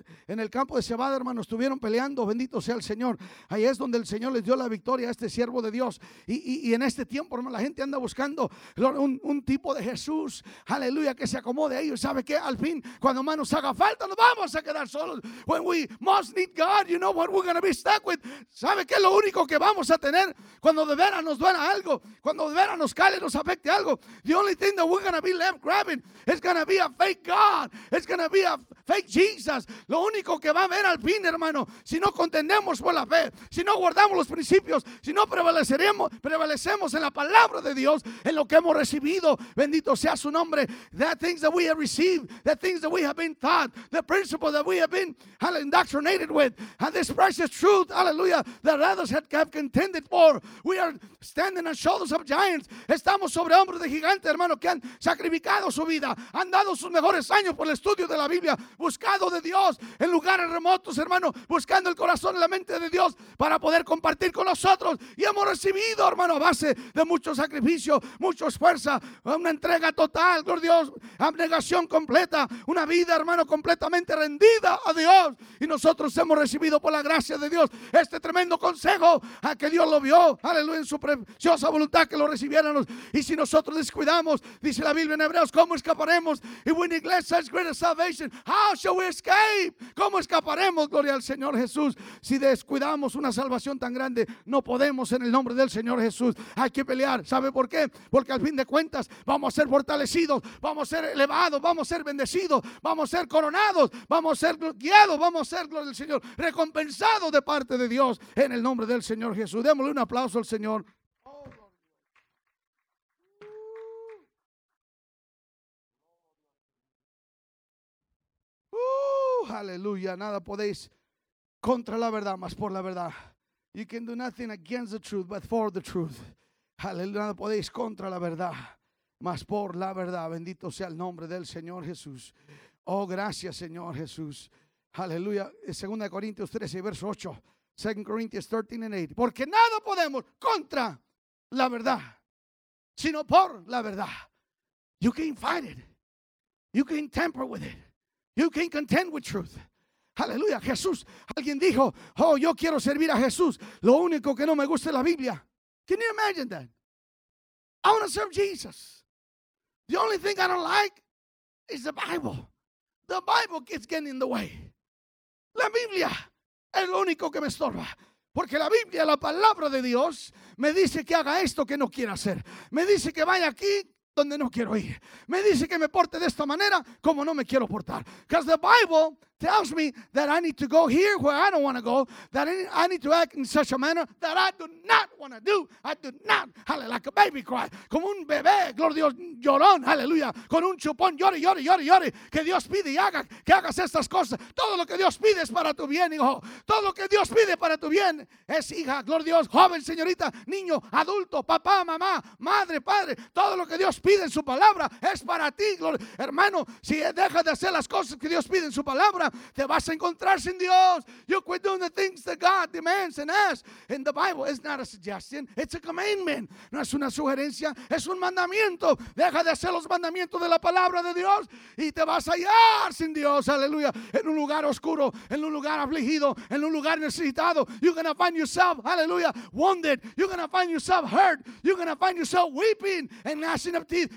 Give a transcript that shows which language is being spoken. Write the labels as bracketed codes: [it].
[es] En el campo de cebada, hermanos, estuvieron peleando. Bendito sea el Señor. Ahí es donde el Señor les dio la victoria a este siervo de Dios. Y en este tiempo, hermano, la gente anda buscando un tipo de Jesús, aleluya, que se acomode de ellos. ¿Sabe qué? Al fin, cuando más nos haga falta, nos vamos a quedar solos. [en] When we most need God, you know what we're going to be stuck with. [es] ¿Sabe qué? Lo único que vamos a tener cuando de veras nos duela algo, cuando de veras nos cale, nos afecte algo, [en] the only thing that we're going to be left grabbing is going to be a fake God. It's going to be a fake Jesus. [es] Lo único que va a haber al fin, hermano, si no contendemos por la fe, si no guardamos los principios, si no prevalecemos en la palabra de Dios, en lo que hemos recibido, bendito sea su nombre, [en] that things that we we have received, the things that we have been taught, the principle that we have been indoctrinated with, and this precious truth, hallelujah, that others have contended for. We are standing on shoulders of giants. [es] Estamos sobre hombros de gigantes, hermano, que han sacrificado su vida, han dado sus mejores años por el estudio de la Biblia, buscado de Dios en lugares remotos, hermano, buscando el corazón y la mente de Dios para poder compartir con nosotros. Y hemos recibido, hermano, a base de mucho sacrificio, mucho esfuerzo, una entrega total, por Dios, abnegación completa, una vida, hermano, completamente rendida a Dios. Y nosotros hemos recibido por la gracia de Dios este tremendo consejo, a que Dios lo vio, aleluya, en su preciosa voluntad que lo recibiéramos. Y si nosotros descuidamos, dice la Biblia en Hebreos, ¿cómo escaparemos? [en] If we neglect such great salvation, how shall we escape? [es] ¿Cómo escaparemos, gloria al Señor Jesús, si descuidamos una salvación tan grande? No podemos, en el nombre del Señor Jesús. Hay que pelear. ¿Sabe por qué? Porque al fin de cuentas vamos a ser fortalecidos, vamos a ser elevados, vamos a ser bendecidos, vamos a ser coronados, vamos a ser guiados, vamos a ser, gloria al Señor, recompensados de parte de Dios, en el nombre del Señor Jesús. Démosle un aplauso al Señor. Aleluya, nada podéis contra la verdad, más por la verdad. [en] You can do nothing against the truth, but for the truth. [es] Aleluya, nada podéis contra la verdad, más por la verdad. Bendito sea el nombre del Señor Jesús. Oh, gracias, Señor Jesús. Aleluya, 2 Corintios 13, verso 8. 2 Corintios 13 and 8. Porque nada podemos contra la verdad, sino por la verdad. [en] You can fight it. You can temper with it. You can contend with truth. Aleluya. Jesús. [es] Alguien dijo, oh, yo quiero servir a Jesús. Lo único que no me gusta es la Biblia. [en] Can you imagine that? I want to serve Jesus. The only thing I don't like is the Bible. The Bible keeps getting in the way. [es] La Biblia es lo único que me estorba. Porque la Biblia, la palabra de Dios, me dice que haga esto que no quiero hacer. Me dice que vaya aquí donde no quiero ir. Me dice que me porte de esta manera como no me quiero portar. [en] Because the Bible tells me that I need to go here where I don't want to go. That I need to act in such a manner that I do not want to do. I do not. Hallelujah. Like a baby cry. [es] Como un bebé, gloria a Dios, llorón. Aleluya. Con un chupón, llore, llore, llore, llore. Que Dios pide y haga, que hagas estas cosas. Todo lo que Dios pide es para tu bien, hijo. Todo lo que Dios pide para tu bien es, hija, gloria a Dios, joven, señorita, niño, adulto, papá, mamá, madre, padre. Todo lo que Dios pide en su palabra es para ti, gloria. Hermano, si dejas de hacer las cosas que Dios pide en su palabra, te vas a encontrar sin Dios. [en] You quit doing the things that God demands and asks. In the Bible, it's not a suggestion, it's a commandment. [es] No es una sugerencia, es un mandamiento. Deja de hacer los mandamientos de la palabra de Dios y te vas a hallar sin Dios. Aleluya. En un lugar oscuro, en un lugar afligido, en un lugar necesitado. [en] You're gonna find yourself, aleluya, wounded. You're gonna find yourself hurt. You're gonna find yourself weeping and gnashing of teeth.